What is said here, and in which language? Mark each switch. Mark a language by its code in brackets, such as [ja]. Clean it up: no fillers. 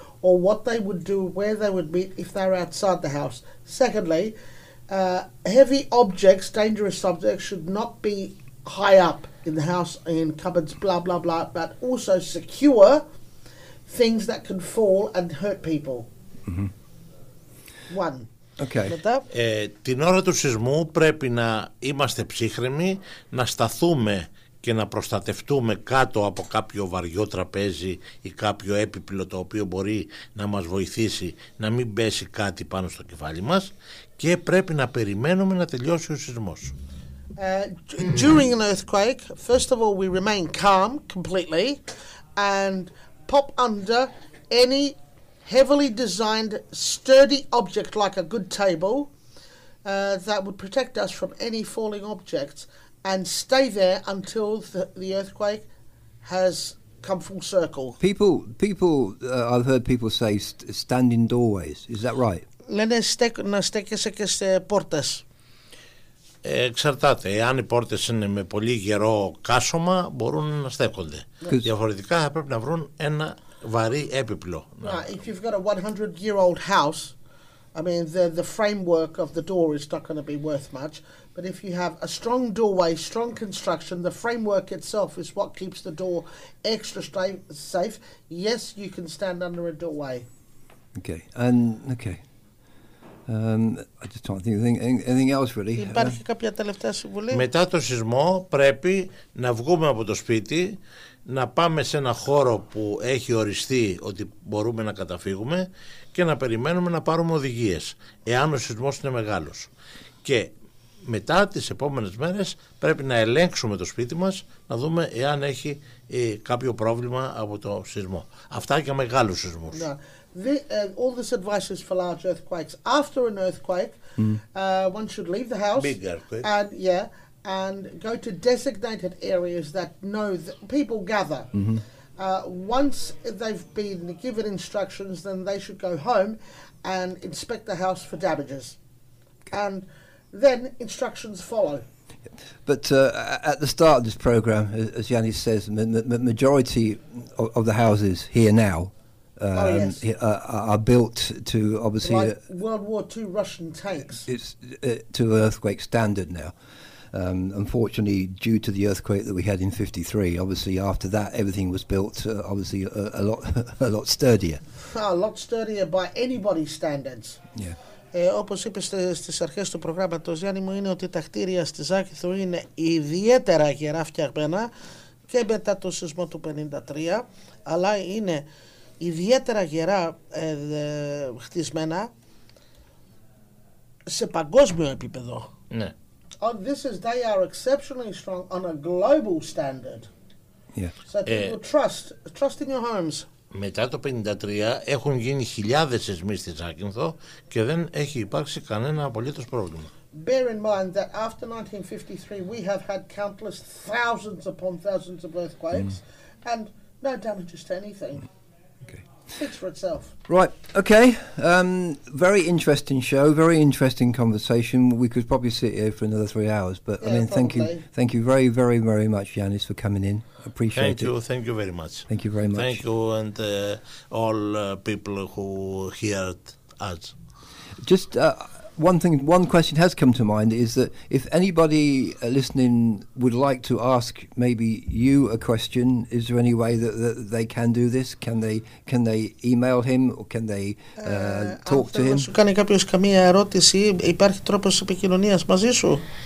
[en] or what they would do, where they would meet if they were outside the house. Secondly, heavy objects, dangerous objects, should not be high up in the house, in cupboards, blah, blah, blah, but also secure things that can fall and hurt people. Mm-hmm. One. Okay. [el] Την ώρα του σεισμού πρέπει να είμαστε ψύχρεμοι, να σταθούμε και να προστατευτούμε κάτω από κάποιο βαριό τραπέζι ή κάποιο έπιπλο το οποίο μπορεί να μας βοηθήσει να μην πέσει κάτι πάνω στο κεφάλι μας, και πρέπει να περιμένουμε να τελειώσει ο σεισμός. [en] During an earthquake, first of all, we remain calm completely and pop under any heavily designed sturdy object like a good table that would protect us from any falling objects. And stay there until the earthquake has come full circle. I've heard people say stand in doorways. Is that right? [el] Λένε να στέκεσαι και σε πόρτες. Εξαρτάται. Αν οι πόρτες είναι με πολύ γερό κάσωμα, μπορούν να στέκονται. Διαφορετικά θα πρέπει να βρουν ένα βαρύ έπιπλο. [en] If you've got a 100-year-old house, I mean, the framework of the door is not going to be worth much. But if you have a strong doorway, strong construction, the framework itself is what keeps the door extra safe. Yes, you can stand under a doorway. Okay. I just don't think anything else really. [el] Υπάρχει κάποια τελευταία συμβουλή? Μετά το σεισμό πρέπει να βγούμε από το σπίτι, να πάμε σε ένα χώρο που έχει οριστεί ότι μπορούμε να καταφύγουμε και να περιμένουμε να πάρουμε οδηγίες, εάν ο σεισμός είναι μεγάλος. Και μετά τις επόμενες μέρες πρέπει να ελέγξουμε το σπίτι μας, να δούμε εάν έχει κάποιο πρόβλημα από το σεισμό. Αυτά για μεγάλους σεισμούς. [en] All this advice is for large earthquakes. After an earthquake, one should leave the house. Big earthquake. And go to designated areas that know that people gather. Mm-hmm. Once they've been given instructions, then they should go home and inspect the house for damages. And then instructions follow. But at the start of this program, as Yannis says, majority of the houses here now are built to obviously like World War II Russian tanks. It's to earthquake standard now. Unfortunately, due to the earthquake that we had in 1953, obviously after that everything was built obviously a lot sturdier. A lot sturdier by anybody's standards. Yeah. [el] Όπως είπε στις αρχές του προγράμματος, Γιάννη μου, είναι ότι τα κτίρια στη Ζάκυνθο είναι ιδιαίτερα γερά φτιαγμένα και μετά το σεισμό του 1953, αλλά είναι ιδιαίτερα γερά χτισμένα σε παγκόσμιο επίπεδο. Ναι. [en] Oh, this is, they are exceptionally strong on a global standard. Yeah. So people trust in your homes. [el] Μετά το 1953 έχουν γίνει χιλιάδες σεισμοί στη Ζάκυνθο και δεν έχει υπάρξει κανένα απολύτως πρόβλημα. [en] Bear in mind that after 1953 we have had countless thousands upon thousands of earthquakes and no damages to anything. Speaks for itself. Right, okay. Very interesting show, very interesting conversation. We could probably sit here for another 3 hours, but yeah, I mean, probably. Thank you very, very, very much, Yannis, for coming in. Appreciate thank it. Thank you, thank you very much. Thank you very much. Thank you, and all people who heard us. Just one question has come to mind, is that if anybody listening would like to ask maybe you a question, is there any way that they can do this? Can they email him or can they talk to him? [el] Αν σου κάνει κάποιος καμία ερώτηση, υπάρχει τρόπος επικοινωνίας μαζί σου?